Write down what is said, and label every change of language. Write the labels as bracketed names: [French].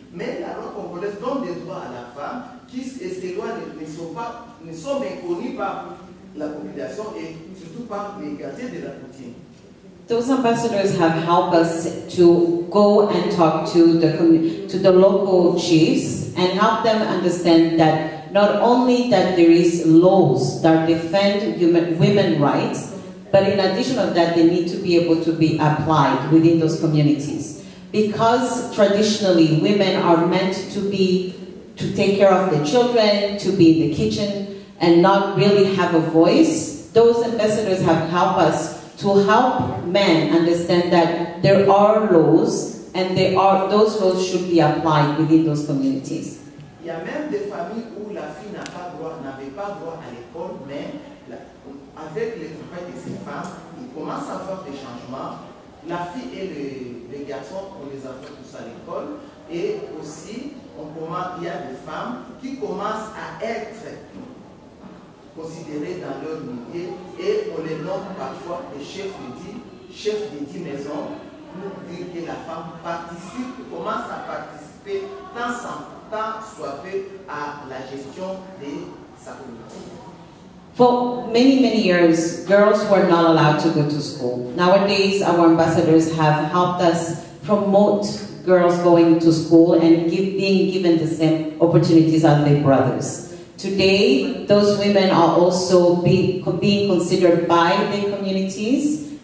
[French] Mais la loi congolaise donne des droits à la femme qui, et ces lois ne sont méconnues par la population et surtout par les gardiens de la routine. [English] Those ambassadors have helped us to go and talk to the local chiefs and help them understand that not only that there is laws that defend women rights, but in addition of that, they need to be able to be applied within those communities. Because traditionally, women are meant to take care of their children, to be in the kitchen, and not really have a voice, those ambassadors have helped us to help men understand that there are laws, and those laws should be applied within those communities. [French] Il y a même des familles où la fille n'avait pas droit à l'école, mais avec le travail de ses femmes, ils commencent à faire des changements. La fille et les garçons, on les a fait tous à l'école. Et aussi, il y a des femmes qui commencent à être considérées dans leur milieu. Et on les nomme parfois les chefs de dix maisons, pour dire que la femme participe, commence à participer tant sans temps soit peu à la gestion de sa communauté. [English] For many, many years, girls were not allowed to go to school. Nowadays, our ambassadors have helped us promote girls going to school and being given the same opportunities as their brothers. Today, those women are also being considered by their communities.